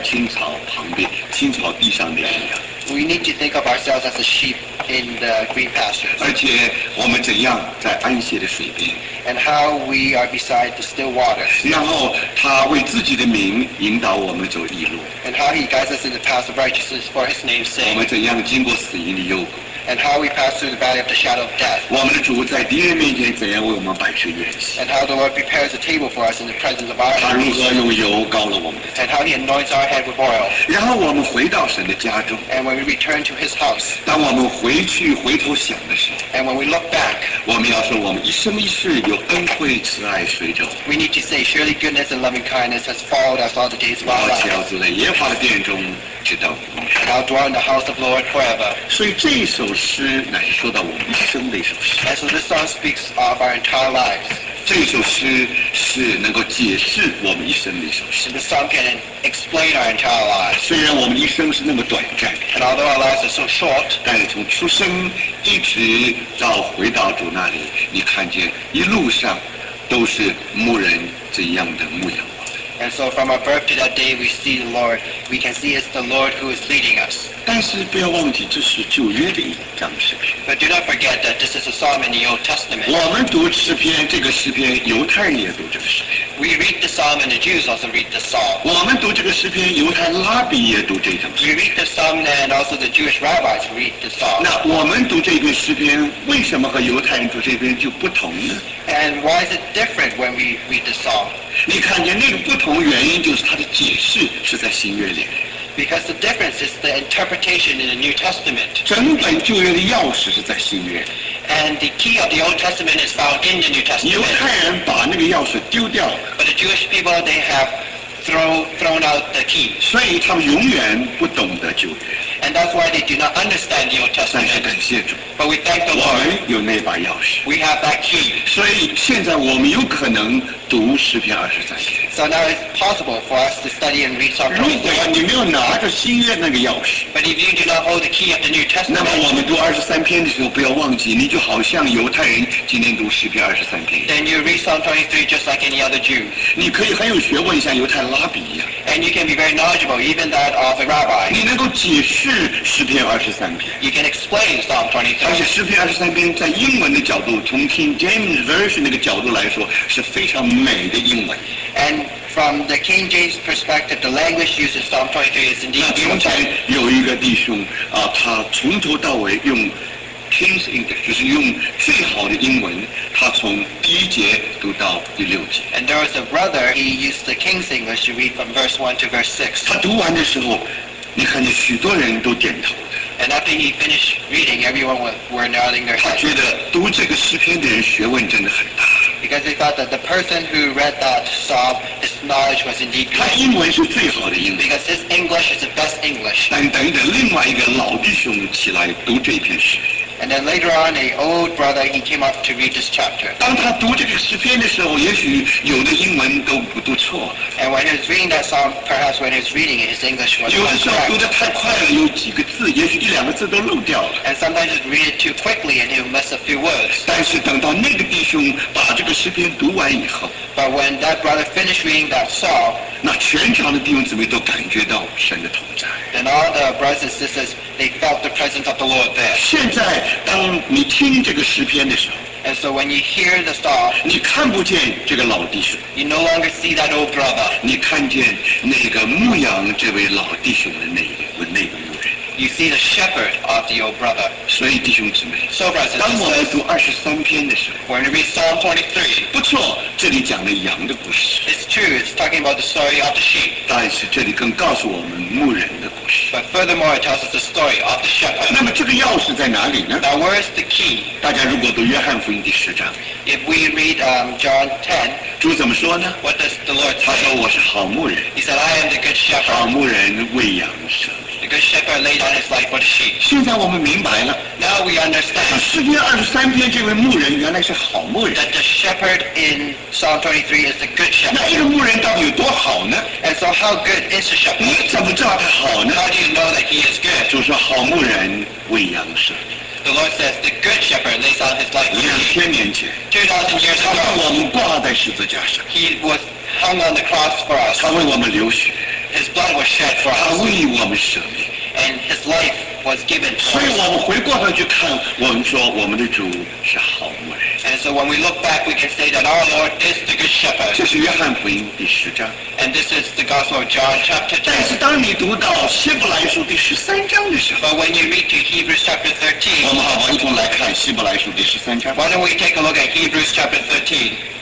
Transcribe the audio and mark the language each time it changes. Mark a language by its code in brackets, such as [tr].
[zh] 我们要想到我们自己就是那个躺在青草旁边，青草地上的羊。 [en] We need to think of ourselves as a sheep in the green pastures. [zh] 而且我们怎样在安歇的水边, [en] And how we are beside the still waters. [zh] 然后他为自己的名引导我们走义路, [en] And how he guides us in the path of righteousness for his name's sake. [zh] 我们怎样经过死荫的幽谷, [en] And how we pass through the valley of the shadow of death. [zh] 我们的主在敌人面前怎样为我们摆设宴席, [en] And how the Lord prepares a table for us in the presence of our enemies. [zh] 他如何用油膏了我们的头, [en] And how he anoints our head with oil. [zh] 然后我们回到神的家中, [en] And when we return to his house. [zh] 当我们回去回头想的时候, [en] And when we look back, [zh] 我们要说我们一生一世有恩惠慈爱随着, [en] We need to say, Surely goodness and loving kindness has followed us all the days of our lives. [zh] 我且要住在耶和华的殿中, [en] And I'll dwell in the house of the Lord forever. [zh] 所以这首诗乃是说到我们一生的一首诗。 [en] And so this song speaks of our entire lives. [zh] 这首诗是能够解释我们一生的一首诗。 [en] And the song can explain our entire lives. [zh] 虽然我们一生是那么短暂, [en] And although our lives are so short, [zh] 但是从出生一直到回到主那里, 你看见一路上都是牧人这样的牧养。 [en] And so from our birth to that day, we see the Lord. We can see it's the Lord who is leading us. [zh] 但是不要忘记，这是旧约的一章诗篇。 [en] But do not forget that this is a psalm in the Old Testament. [zh] 我们读诗篇，这个诗篇犹太人也读这个诗篇。 [en] We read the psalm and the Jews also read the psalm. [zh] 我们读这个诗篇，犹太拉比也读这章诗篇。 [en] We read the psalm and also the Jewish rabbis read the psalm. [zh] 那我们读这个诗篇，为什么和犹太人读这篇就不同呢？ [en] And why is it different when we read the psalm? [zh] 你看见那个不同原因就是它的解释是在新约里。 [en] Because the difference is the interpretation in the New Testament. [zh] 整本旧约的钥匙是在新约。 [en] And the key of the Old Testament is found in the New Testament. [zh] 犹太人把那个钥匙丢掉。 [en] But the Jewish people, they have thrown out the key. [zh] 所以他们永远不懂得旧约。 [en] And that's why they do not understand the Old Testament. [zh] 但是感谢主。 [en] But we thank the Lord. [zh] 我们有那把钥匙。 [en] We have that key. [zh] 所以现在我们有可能读诗篇二十三篇。 [en] So now it's possible for us to study and read some. [zh] 如果你没有拿着新约那个钥匙。 [en] But if you do not hold the key of the New Testament. [zh] 那么我们读二十三篇的时候，不要忘记，你就好像犹太人今天读诗篇二十三篇。 [en] Then you read Psalm 23 just like any other Jew. [zh] 你可以很有学问，像犹太拉比一样。 [en] And you can be very knowledgeable, even that of a rabbi. [zh] 你能够解释诗篇二十三篇。 [en] You can explain Psalm 23. [zh] 而且诗篇二十三篇在英文的角度，从 King James Version 那个角度来说，是非常美的英文。 [en] And from the King James perspective, the language used in Psalm 23 is indeed beautiful. [zh] 那从前有一个弟兄啊，他从头到尾用 King's English, 就是用最好的英文，他从第一节读到第六节。 [en] And there was a brother, he used the King's English to read from verse 1 to verse 6. [zh] 他读完的时候，你看见许多人都点头。 [en] And after he finished reading, everyone were nodding their heads. [zh] 他觉得读这个诗篇的人学问真的很大。 [en] Because they thought that the person who read that psalm, his knowledge was indeed great. [zh] 他英文是最好的英文。 [en] Because his English is the best English. [zh] 但等等，另外一个老弟兄起来读这篇诗篇。 [en] And then later on, an old brother, he came up to read this chapter. [zh] 当他读这个诗篇的时候，也许有的英文都不读错。 [en] And when he was reading that psalm, perhaps when he was reading it, his English was incorrect. [zh] 有的时候读得太快了，有几个字，也许一两个字都漏掉了。 [en] And sometimes he'd read it too quickly and he'd miss a few words. [zh] 但是等到那个弟兄把这个诗篇读完以后。 [en] But when that brother finished reading that psalm, [zh] 那全场的弟兄姊妹都感觉到神的同在。 [en] Then all the brothers and sisters, they felt the presence of the Lord there. [zh] 现在当你听这个诗篇的时候， [en] and so when you hear the psalm, [zh] 你看不见这个老弟兄， [en] you no longer see that old brother. [zh] 你看见那个牧养这位老弟兄的那个牧人。 [en] You see the shepherd of the old brother. [zh] 所以弟兄姊妹， [en] so brothers, [zh] 当我们读二十三篇的时候， [en] when you read Psalm 23, [zh] 不错，这里讲了羊的故事。 [en] It's true. It's talking about the story of the sheep. [zh] 但是这里更告诉我们牧人的故事。 [en] But furthermore, it tells us the story of the shepherd. [zh] 那么这个钥匙在哪里呢？ [en] Now where is the key? [zh] 大家如果读约翰福音第十章， [en] if we read John 10, [zh] 主怎么说呢？ [en] What does the Lord say? [zh] 他说我是好牧人。 [en] He said, I am the good shepherd. [zh] 好牧人喂羊舍。 [en] The good shepherd laid down his life for the sheep. [zh] 现在我们明白了。 [en] Now we understand. [zh] 诗篇二十三篇这位牧人原来是好牧人。 [en] That the shepherd in Psalm 23 is a good shepherd. [zh] 那一个牧人到底有多好呢？ [en] And so how good is the shepherd? [zh] 你怎么知道他好呢？ [en] How do you know that he is good? [zh] 就是好牧人喂羊舍。 [en] The Lord says the good shepherd lays down his life for the sheep. [zh] 2000年前。 [en] 2000 years ago. [zh] 他为我们挂在十字架上。 [en] He was hung on the cross for us. [zh] 他为我们流血。 [en] His blood was shed for us. [zh] 他为我们舍命。 [en] And his life was given to us. [zh] 所以我们回过头去看，我们说我们的主是好牧人。 [en] And so when we look back, we can say that our Lord is the good shepherd. [zh] 这是约翰福音第十章。 [en] And this is the Gospel of John, chapter 10. [zh] 但是当你读到希伯来书第十三章的时候， [en] But when you read to Hebrews chapter 13, [zh] 我们好不好一同来看希伯来书第十三章。 [en] Why don't we take a look at Hebrews chapter 13?